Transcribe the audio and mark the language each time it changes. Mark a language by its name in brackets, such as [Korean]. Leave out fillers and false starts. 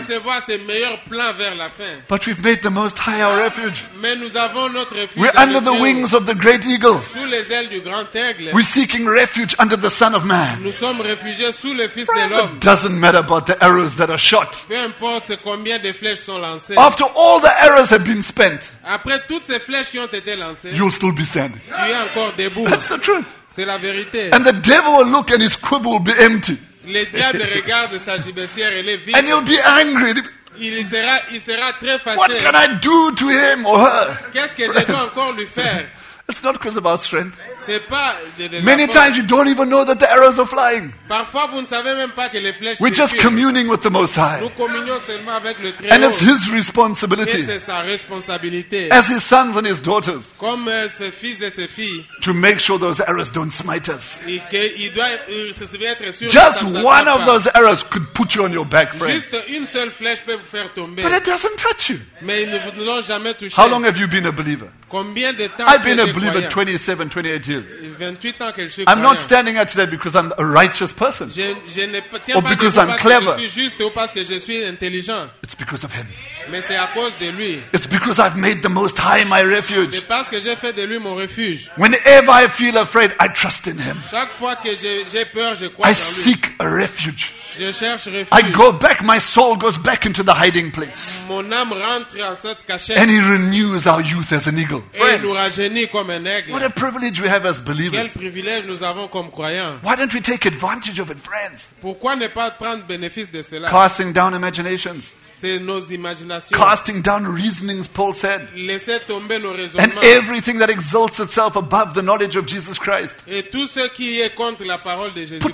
[French] Concevoir ses meilleurs plans vers la fin. [English] But we've made the Most High our refuge. [French] Mais nous avons notre refuge. [English] We're under the wings of the great eagle. [French] Sous les ailes du grand aigle. [English] We see seeking refuge under the Son of Man. [French] Nous sommes réfugiés sous le Fils [English] friends, [French] de l'homme. [English] It doesn't matter about the arrows that are shot. [French] Peu importe combien de flèches sont lancées. [English] After all the arrows have been spent, [French] après toutes ces flèches qui ont été lancées, [English] you'll still be standing. [French] Tu es encore debout. [English] That's the truth. [French] C'est la vérité. [English] And the devil will look and his quiver will be empty. [French] Le diable regarde sa gibecière et elle est vide. [English] And he'll be angry. [French] Il sera très fâché. [English] What can I do to him or her? [French] Qu'est-ce que [English] friends. [French] Je dois encore lui faire? [English] It's not because of our strength. [French] C'est pas [English] many times you don't even know that the arrows are flying. [French] Parfois, vous ne savez même pas que les flèches [English] we're just communing with the Most High. [French] Nous communions seulement avec le Très [English] and it's His responsibility. [French] Et c'est sa responsabilité. [English] As His sons and His daughters. [French] Comme ses fils et ses filles, [English] to make sure those arrows don't smite us. [French] Être sûr [English] just [French] que [English] one [French] pas. [English] Of those arrows could put you on your back, friend. [French] Juste une seule flèche peut vous faire tomber. [English] But it doesn't touch you. [French] Mais ils ne vous ont jamais touché. [English] How long have you been a believer? [French] Combien de temps [English] I've been a believer 27, 28 years. [French] 28 ans que je suis [English] I'm [French] croyant. [English] Not standing here today because I'm a righteous person. [French] Je ne tiens [English] or [French] pas [English] because I'm [French] parce [English] clever. [French] Que je suis juste ou parce que je suis intelligent. [English] It's because of him. [French] Mais c'est à cause de lui. [English] It's because I've made the Most High my refuge. [French] C'est parce que j'ai fait de lui mon refuge. [English] Whenever I feel afraid, I trust in him. [French] Chaque fois que j'ai peur, je crois en [English] I seek a refuge. [French] Je cherche refuge. [English] I go back, my soul goes back into the hiding place. [French] Mon âme rentre à cette cachette. [English] And he renews our youth as an eagle. Friends, what a privilege we have as believers. [French] Quel privilège nous avons comme croyants. [English] Why don't we take advantage of it, friends? [French] Pourquoi ne pas prendre bénéfice de cela? [English] Casting down imaginations. [French] C'est nos imaginations. [English] Casting down reasonings, Paul said. [French] Laissez tomber nos raisonnements. [English] And everything that exalts itself above the knowledge of Jesus Christ. [French] Et tout ce qui est contre la parole de Jésus-Christ.